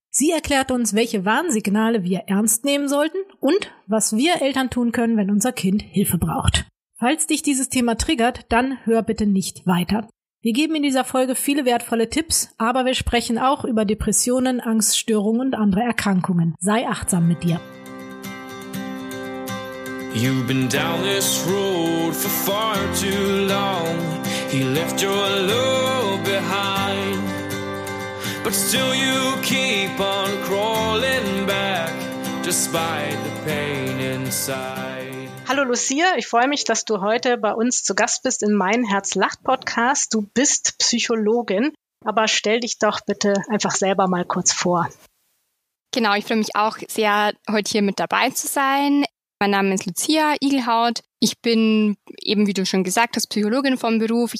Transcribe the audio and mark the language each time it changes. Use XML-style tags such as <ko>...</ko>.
<de>Sie erklärt uns, welche Warnsignale wir ernst nehmen sollten und was wir Eltern tun können, wenn unser Kind Hilfe braucht. Falls dich dieses Thema triggert, dann hör bitte nicht weiter. Wir geben in dieser Folge viele wertvolle Tipps, aber wir sprechen auch über Depressionen, Angststörungen und andere Erkrankungen. Sei achtsam mit dir.</de> <en>You've been down this road for far too long. He left your love behind. But still you keep on crawling back, despite the pain inside.</en> <de>Hallo Lucia, ich freue mich, dass du heute bei uns zu Gast bist in Mein Herz lacht Podcast. Du bist Psychologin, aber stell dich doch bitte einfach selber mal kurz vor. Genau, ich freue mich auch sehr, heute hier mit dabei zu sein. Mein Name ist Lucia Igelhaut. Ich bin eben, wie du schon gesagt hast, Psychologin vom Beruf.</de>